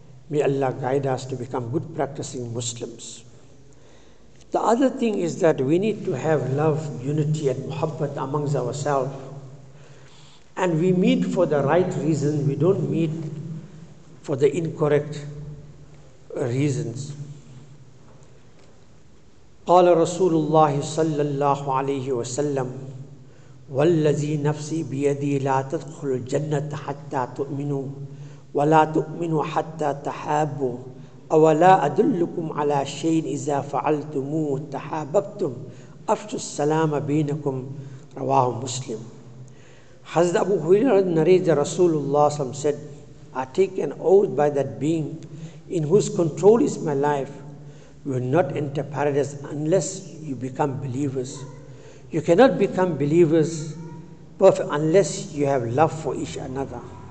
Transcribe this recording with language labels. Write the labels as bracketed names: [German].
[English] May Allah guide us to become good practicing Muslims. The other thing is that we need to have love, unity and muhabbat amongst ourselves. And we meet for the right reason. We don't meet for the incorrect reasons. [Arabic] قال رسول الله صلى الله عليه وسلم والذي نفسي بيدي لا تدخل الجنة حتى تؤمنوا ولا تؤمنوا حتى تحابوا أولا أدلكم على شيء إذا فعلتموه تحاببتم أفشوا السلام بينكم رواه مسلم. حضرت أبو هريرة نريد رسول الله صلى الله عليه وسلم [English] I take an oath by that being in whose control is my life. You will not enter paradise unless you become believers. You cannot become believers perfect unless you have love for each another.